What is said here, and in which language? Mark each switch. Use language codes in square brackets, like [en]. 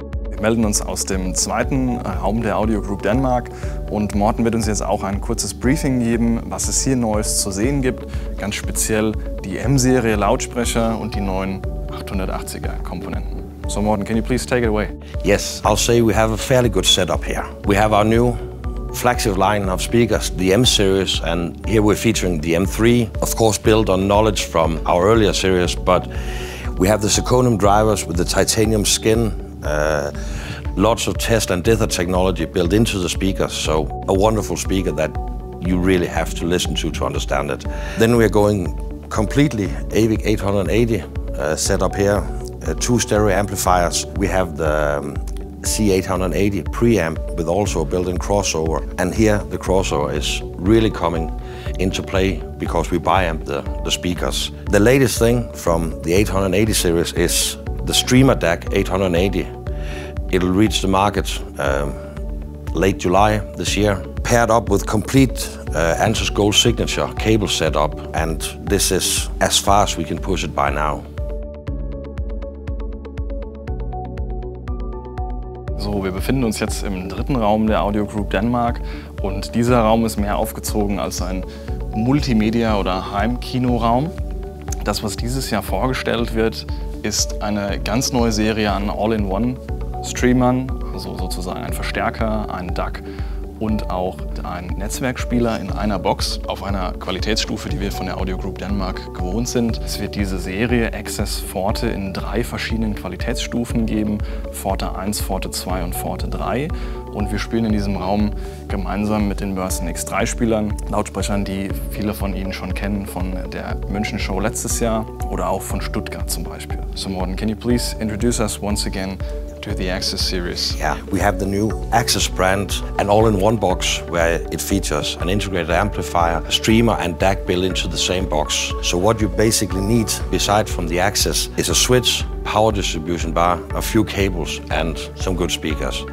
[de] Wir melden uns aus dem zweiten Raum der Audio Group Denmark und Morten wird uns jetzt auch ein kurzes Briefing geben, was es hier Neues zu sehen gibt, ganz speziell die M-Serie Lautsprecher und die neuen 880er Komponenten. [en] So Morten, can you please take it away? Yes, I'll say we have a fairly good setup here. We have our new flagship line of speakers, the M-Series, and here we're featuring the M3, of course built on knowledge from our earlier series, but we have the zirconium drivers with the titanium skin. Lots of test and dither technology built into the speaker, so a wonderful speaker that you really have to listen to understand it. Then we are going completely Aavik 880 set up here, two stereo amplifiers. We have the C880 preamp with also a built-in crossover, and here the crossover is really coming into play because we biamp the speakers. The latest thing from the 880 series is the streamer DAC 880. It'll reach the market late July this year, paired up with complete Ansuz Gold Signature cable setup, and this is as far as we can push it by now. [de] So, wir befinden uns jetzt im dritten Raum der Audio Group Denmark und dieser Raum ist mehr aufgezogen als ein Multimedia- oder Heimkinoraum. Das, was dieses Jahr vorgestellt wird, ist eine ganz neue Serie an All-in-One Streamern, also sozusagen ein Verstärker, ein DAC und auch ein Netzwerkspieler in einer Box auf einer Qualitätsstufe, die wir von der Audio Group Denmark gewohnt sind. Es wird diese Serie Axxess Forte in drei verschiedenen Qualitätsstufen geben, Forte 1, Forte 2 und Forte 3. Und wir spielen in diesem Raum gemeinsam mit den Borresen X3 Spielern, Lautsprechern, die viele von Ihnen schon kennen von der München Show letztes Jahr oder auch von Stuttgart zum Beispiel. [en] So Morten, can you please introduce us once again to the Axxess series? Yeah, we have the new Axxess brand, an all-in-one box where it features an integrated amplifier, streamer and DAC built into the same box. So what you basically need, beside from the Axxess, is a switch, power distribution bar, a few cables and some good speakers.